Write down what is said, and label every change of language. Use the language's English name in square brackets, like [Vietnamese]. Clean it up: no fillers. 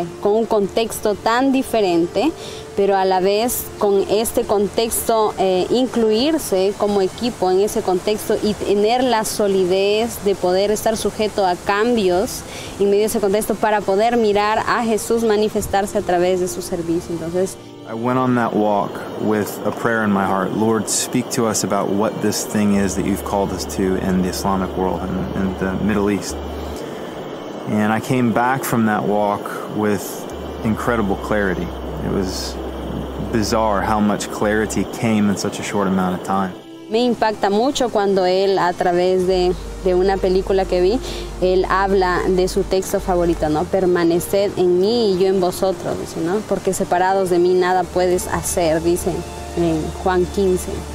[Spanish] Con un contexto tan diferente, pero a la vez con este contexto, incluirse como equipo en ese contexto y tener la solidez de poder estar sujeto a cambios en medio de ese contexto para poder mirar a Jesús manifestarse a través de su servicio. Entonces, [English] I went on that walk with a prayer in my heart. Lord, speak to us about what this thing is that you've called us to in the Islamic world and in the Middle East. And I came back from that walk with incredible clarity. It was bizarre how much clarity came in such a short amount of time. [Spanish] Me impacta mucho cuando él, a través de una película que vi, él habla de su texto favorito, ¿no? Permaneced en mí y yo en vosotros, dice, ¿no? Porque separados de mí nada puedes hacer, dice en Juan 15.